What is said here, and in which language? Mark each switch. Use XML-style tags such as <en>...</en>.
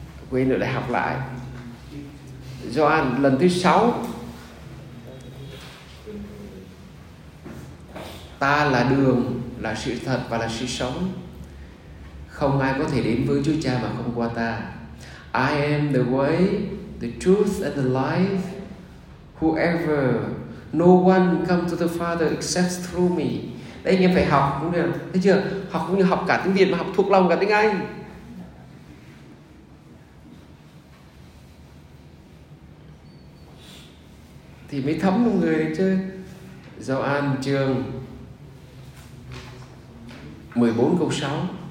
<vi>Quên rồi lại học lại. Gioan lần thứ 6. Ta là đường, là sự thật và là sự sống. Không ai có thể đến với Chúa Cha mà không qua ta.</vi> <en>I am the way, the truth and the life. Whoever, no one come to the Father except through me.</en> <vi>Đấy, anh em phải học cũng được. Thấy chưa? Học cũng như học cả tiếng Việt mà học thuộc lòng cả tiếng Anh. Thì mới thấm một người chứ. Gioan chương 14 câu 6.</vi>